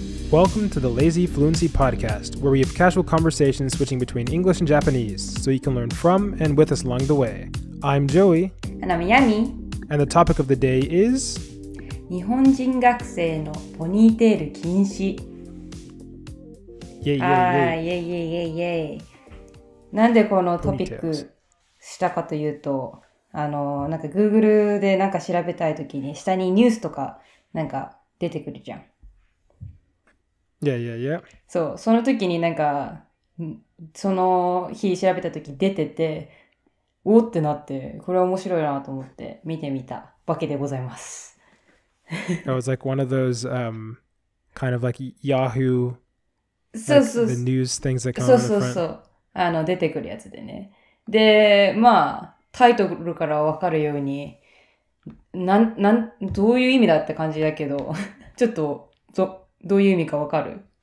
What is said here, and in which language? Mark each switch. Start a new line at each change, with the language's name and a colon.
English: Welcome to the Lazy Fluency podcast, where we have casual conversations switching between English and Japanese so you can learn from and with us along the way. I'm Joey. And I'm Yami. And the topic of the day is
Japanese: 日本人学生のポニーテール禁止。
English: Yay, yay, yay. Yay, yay, yay, yay.
Japanese: なんでこのトピックしたかというと、なんか Google でなんか調べたいときに下にニュースとかなんか出てくるじゃん。
English: Yeah, yeah, yeah.
Japanese: そう、その時になんか、その日調べた時出てて、おってなって、これは面白いなと思って見てみたわけでございます。
English: It was like one of those, kind of like Yahoo, like the news things that come out of the front.
Japanese: そうそうそう。出てくるやつでね。で、まあ、タイトルからわかるように、どういう意味だって感じだけど、ちょっと、どういう意味かわかる？